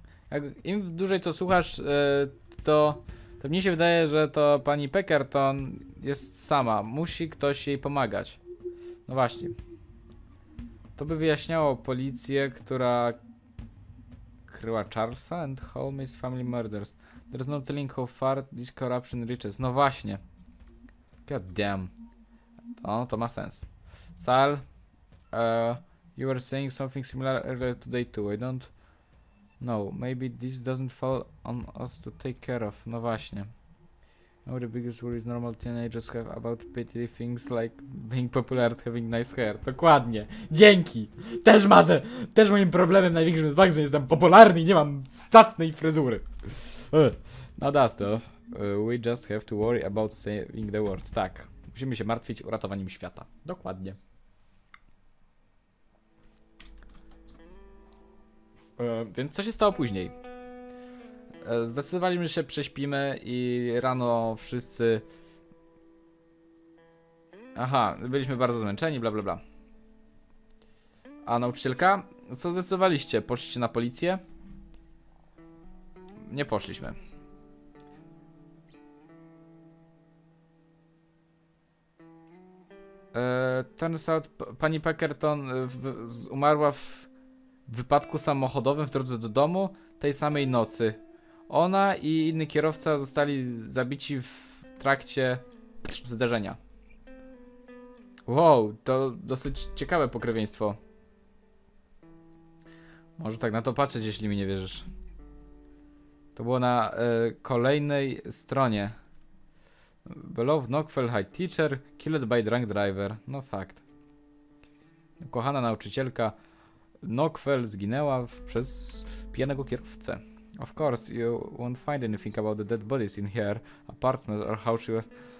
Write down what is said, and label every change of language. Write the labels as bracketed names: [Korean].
[Polish] Jak im dłużej to słuchasz, to mnie się wydaje, że to pani Peckerton jest sama. Musi ktoś jej pomagać. No właśnie. To by wyjaśniało policję, która kryła Charlesa [English] and Holmes family murders. There's no telling how far this corruption reaches. [Polish] No właśnie. [English] God damn. [Polish] To ma sens. [English] Sal, you were saying something similar earlier today too. I don't. No, maybe this doesn't fall on us to take care of. [Polish] No właśnie. [English] Our biggest worries normal teenagers have about petty things like being popular, having nice hair. [Polish] Dokładnie. Dzięki. Też marzę. Też moim problemem największym jest fakt, że jestem popularny i nie mam zacnej fryzury. No da to. [English] We just have to worry about saving the world. [Polish] Tak. Musimy się martwić o ratowaniem świata. Dokładnie. Więc co się stało później? Zdecydowaliśmy, że się prześpimy i rano wszyscy... Aha, byliśmy bardzo zmęczeni, bla bla bla. A nauczycielka? Co zdecydowaliście? Poszliście na policję? Nie poszliśmy. [English] Turns out [Polish] pani Pakerton umarła w wypadku samochodowym w drodze do domu tej samej nocy. Ona i inny kierowca zostali zabici w trakcie zderzenia. Wow, to dosyć ciekawe pokrewieństwo. Może tak na to patrzeć, jeśli mi nie wierzysz. To było na kolejnej stronie. [English] Below Knockfell High teacher killed by drunk driver. [Polish] No fakt. Kochana nauczycielka Knockfell zginęła przez pijanego kierowcę. [English] Of course, you won't find anything about the dead bodies in her apartment or how she was...